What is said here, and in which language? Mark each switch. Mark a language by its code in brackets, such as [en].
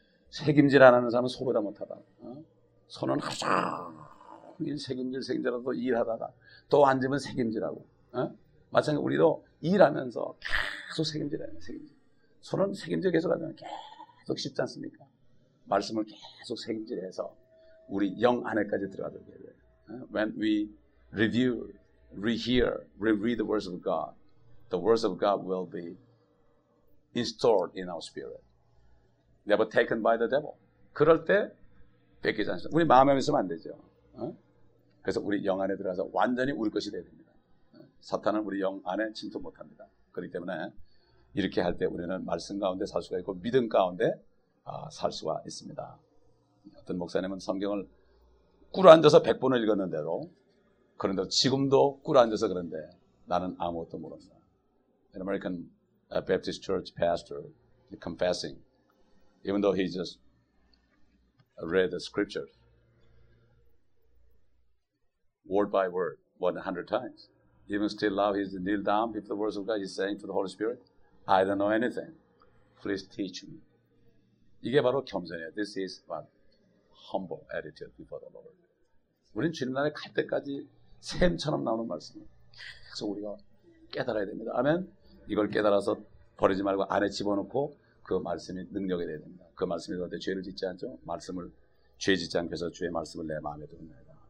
[ko] 새김질 안 하는 사람은 소보다 못하다. 손은 하루 종일 새김질하고 일하다가 또 앉으면 새김질하고. 마찬가지로 우리도 일하면서 계속 새김질해요. 새김질. 손은 새김질 계속하잖아요. 계속 쉽지 않습니까? 말씀을 계속 새김질해서 우리 영 안에까지 들어가도록 해야 돼요. [en] When we review, rehear, reread the words of God, the words of God will be installed in our spirit. Never taken by the devil. [ko] 그럴 때 뺏기지 않습니다. 우리 마음에 있으면 안 되죠. 그래서 우리 영 안에 들어가서 완전히 우리 것이 되어야 됩니다. 사탄은 우리 영 안에 침투 못합니다. 그렇기 때문에 이렇게 할 때 우리는 말씀 가운데 살 수가 있고 믿음 가운데 살 수가 있습니다. 어떤 목사님은 성경을 꿇어앉아서 100번을 읽었는데도 그런데 지금도 꿇어앉아서 그런데 나는 아무것도 모릅니다. [en] An American Baptist Church pastor confessing even though he just read the scripture word by word 100 times. Even still now he's kneeled down before the words of God. He's saying to the Holy Spirit, I don't know anything. Please teach me. [ko] 이게 바로 겸손이에요. [en] This is what humble attitude before the Lord. [ko] 우린 주님 나라에 갈 때까지 샘처럼 나오는 말씀을 계속 우리가 깨달아야 됩니다. 아멘. 이걸 깨달아서 버리지 말고 안에 집어넣고 그 말씀이 능력이 되어야 됩니다. 그 말씀이 너한테 죄를 짓지 않죠? 말씀을, 죄 짓지 않게 해서 주의 말씀을 내 마음에 두었나이다.